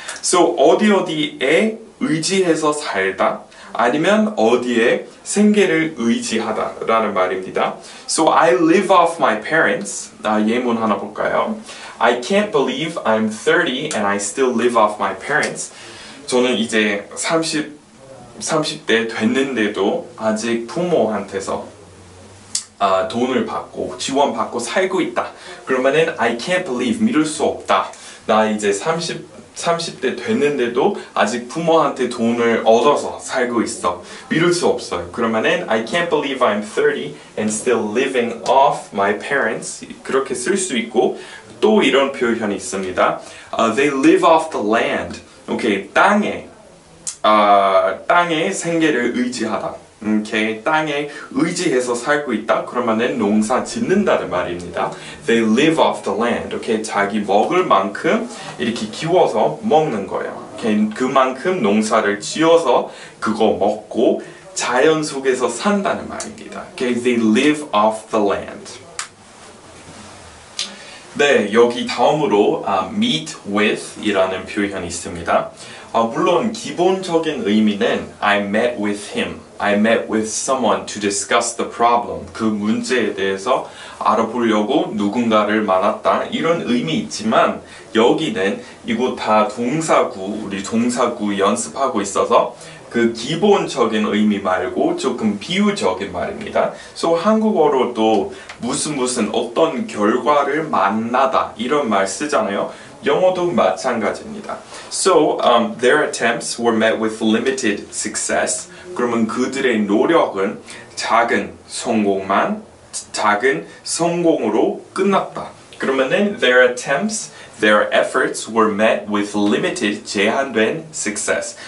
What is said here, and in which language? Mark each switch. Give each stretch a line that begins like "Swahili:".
Korean: So 어디 어디에 의지해서 살다 아니면 어디에 생계를 의지하다 라는 말입니다.
English: So I live off my parents.
Korean: 예문 하나 볼까요?
English: I can't believe I'm 30 and I still live off my parents.
Korean: 저는 이제 30대 됐는데도 아직 부모한테서 돈을 받고 지원 받고 살고 있다. 그러면은
English: I can't believe
Korean: 믿을 수 없다. 나 이제 30 30대 됐는데도 아직 부모한테 돈을 얻어서 살고 있어. 믿을 수 없어요.
English: 그러면은 I can't believe I'm 30 and still living off my parents.
Korean: 그렇게 쓸 수 있고 또 이런 표현이 있습니다.
English: They live off the land.
Korean: 오케이, 땅에 땅에 생계를 의지하다. 오케이, 땅에 의지해서 살고 있다. 그러면은 농사 짓는다는 말입니다.
English: They live off the land.
Korean: 오케이, 자기 먹을 만큼 이렇게 키워서 먹는 거예요. 오케이, 그만큼 농사를 지어서 그거 먹고 자연 속에서 산다는 말입니다.
English: 오케이, they live off the land.
Korean: 네, 여기 다음으로 meet with이라는 표현이 있습니다. 물론 기본적인 의미는
English: I met with him, I met with someone to discuss the problem.
Korean: 그 문제에 대해서 알아보려고 누군가를 만났다 이런 의미 있지만 여기는 이거 다 동사구, 우리 동사구 연습하고 있어서 그 기본적인 의미 말고 조금 비유적인 말입니다. So 한국어로도 무슨 무슨 어떤 결과를 만나다 이런 말 쓰잖아요. 영어도 마찬가지입니다.
English: So their attempts were met with limited success.
Korean: 그러면 그들의 노력은 작은 성공으로 끝났다.
English: 그러면은 their attempts, their efforts were met with limited, 제한된 success.